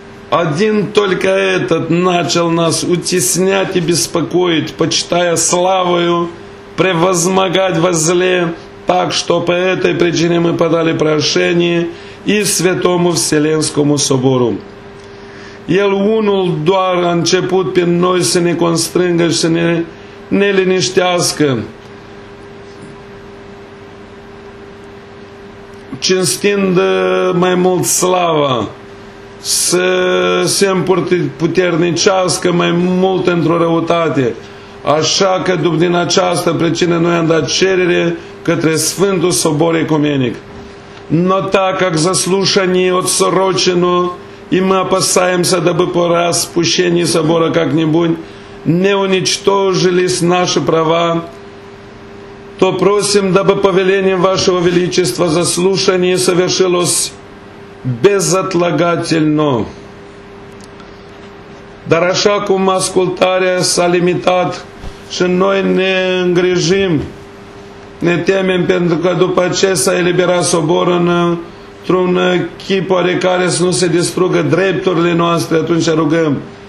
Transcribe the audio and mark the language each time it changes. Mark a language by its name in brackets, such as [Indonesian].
[Russian] Один только этот начал нас утеснять и беспокоить, почитая славою превозмогать во зле, так что по этой причине мы подали прошение и Святому Вселенскому Собору. [Romanian] El unul doar a început pe noi să ne constrângă și să ne neliniștească, cinstind mai mult slava, să se împuternicească mai mult într-o răutate. Așa că din această pricină noi am dat cerere către Sfântul Sobor Ecumenic. [Russian] Но так как заслушание отсрочено, и мы опасаемся, дабы по распущении собора как-нибудь не уничтожились наши права, то просим, дабы по велению Вашего Величества заслушание совершилось безотлагательно. [Romanian] Dar așa cum ascultarea s-a limitat și noi ne îngrijim, ne temem pentru că după ce s-a eliberat soborul într-un chip oarecare să nu se distrugă drepturile noastre, atunci rugăm